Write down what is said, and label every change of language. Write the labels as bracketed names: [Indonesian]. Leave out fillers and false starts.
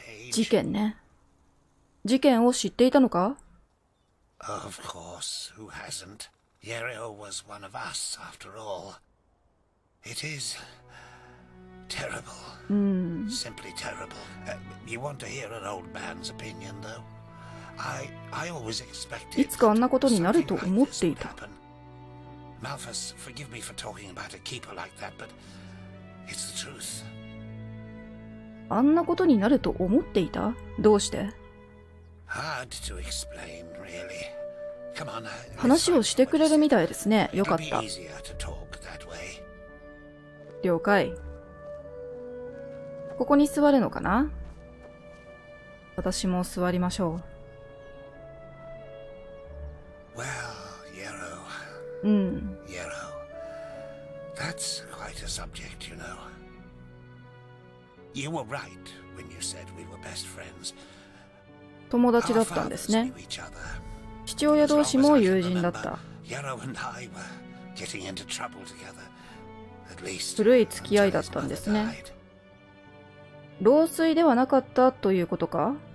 [Japanese] 事件ね。事件を知っていたのか？ [English] Of course, who hasn't? Yerio was one of us, after all. It is terrible. Simply terrible. You want to hear an old man's opinion, though? I always expected. [Japanese] いつかあんなことになると思っていた。 [English] Malthus, forgive me for talking about a keeper like that, but it's the truth. [Japanese] あんなことになると思っていた？どうして？ [English] Hard to explain, really. Come on, [Japanese] 話をしてくれるみたいですね。よかった。 [English] It'll be easier to talk that way. [Japanese] 了解。ここに座るのかな？私も座りましょう。 [English] Well, Yarrow. [Japanese] うん。 [English] That's quite a subject, you know. You were right when you said we were best friends. [Japanese] 友達だったんですね。父親同士も友人だった。 [English] Yarrow and I were getting into trouble together. At least, [Japanese] 古い付き合いだったんですね。老衰ではなかったということか？